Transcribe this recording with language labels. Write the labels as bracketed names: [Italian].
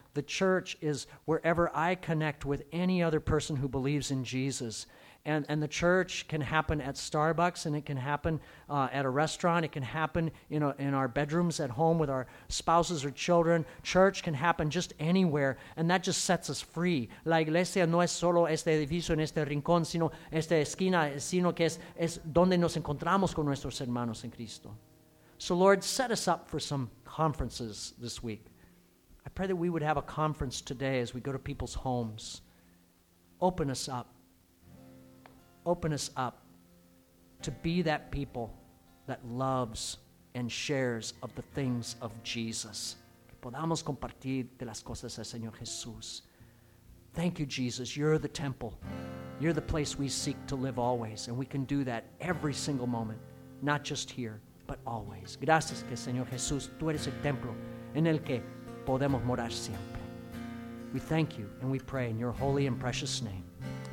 [English] The church is wherever I connect with any other person who believes in Jesus. And the church can happen at Starbucks, and it can happen at a restaurant. It can happen in our bedrooms at home with our spouses or children. Church can happen just anywhere, and that just sets us free. [Spanish] La iglesia no es solo este edificio en este rincón, sino esta esquina, sino que es donde nos encontramos con nuestros hermanos en Cristo. [English] So, Lord, set us up for some conferences this week. I pray that we would have a conference today as we go to people's homes. Open us up. Open us up to be that people that loves and shares of the things of Jesus. [Spanish] Que podamos compartir de las cosas del Señor Jesús. [English] Thank you, Jesus. You're the temple. You're the place we seek to live always. And we can do that every single moment, not just here, but always. [Spanish] Gracias, que Señor Jesús, tú eres el templo en el que podemos morar siempre. [English] We thank you and we pray in your holy and precious name.